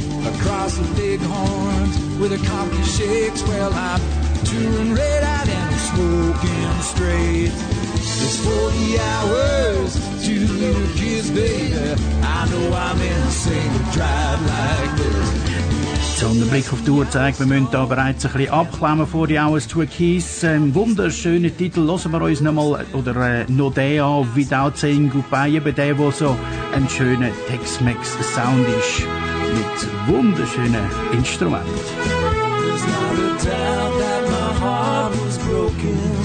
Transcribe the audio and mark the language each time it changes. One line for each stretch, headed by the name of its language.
English: Across the Bighorns with her coffee shakes. Well, I'm touring red eyed and I'm smoking straight. It's 40 hours to the little kids, baby. I know I'm insane to drive like this.
German: So, und der Blick auf die Uhr zeigt, wir müssen da bereits ein bisschen abklemmen vor die Hours to a Kiss. Wunderschöner Titel. Hören wir uns nochmal, oder noch den an, Without Saying Goodbye, bei dem, der so ein schöner Tex-Mex-Sound ist. Mit wunderschönen Instrumenten.
English: There's not a doubt that my heart was broken.